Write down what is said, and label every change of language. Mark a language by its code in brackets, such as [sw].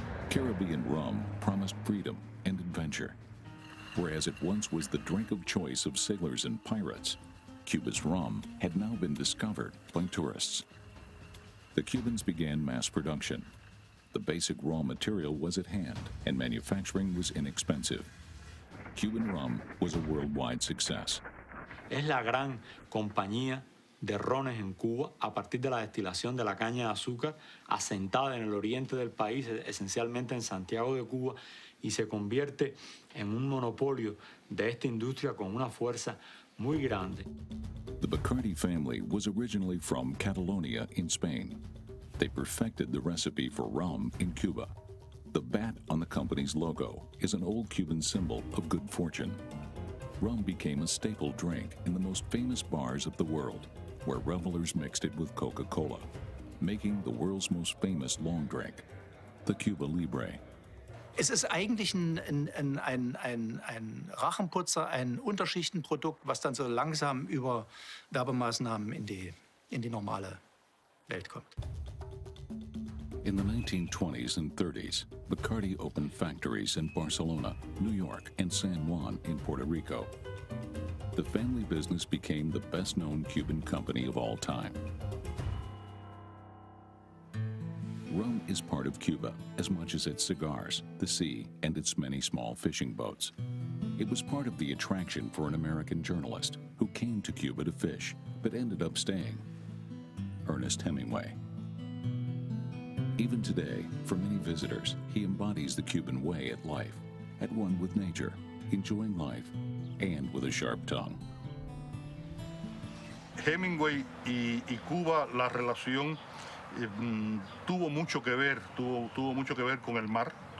[en] Caribbean rum promised freedom and adventure. Whereas it once was the drink of choice of sailors and pirates, Cuba's rum had now been discovered by tourists. The Cubans began mass production. The basic raw material was at hand, and manufacturing was inexpensive. Cuban rum was a worldwide success. [es] Es la gran compañía de rones en Cuba a partir de la destilación de la caña de azúcar asentada en el oriente del país, esencialmente en Santiago de Cuba, y se convierte en un monopolio de esta industria con una fuerza muy grande. [en] The Bacardi family was originally from Catalonia in Spain. They perfected the recipe for rum in Cuba. The bat on the company's logo is an old Cuban symbol of good fortune. Rum became a staple drink in the most famous bars of the world, where revelers mixed it with Coca-Cola, making the world's most famous long drink, the Cuba Libre. [de] Es ist eigentlich ein Rachenputzer, ein Unterschichtenprodukt, was dann so langsam über Werbemaßnahmen in die in die normale Welt kommt. [en] In the 1920s and 30s, Bacardi opened factories in Barcelona, New York, and San Juan in Puerto Rico. The family business became the best-known Cuban company of all time. Rum is part of Cuba, as much as its cigars, the sea, and its many small fishing boats. It was part of the attraction for an American journalist who came to Cuba to fish, but ended up staying. Ernest Hemingway. Even today, for many visitors, he embodies the Cuban way at life, at one with nature, enjoying life, and with a sharp tongue. [es] Hemingway y Cuba, la relación tuvo mucho que ver con el mar.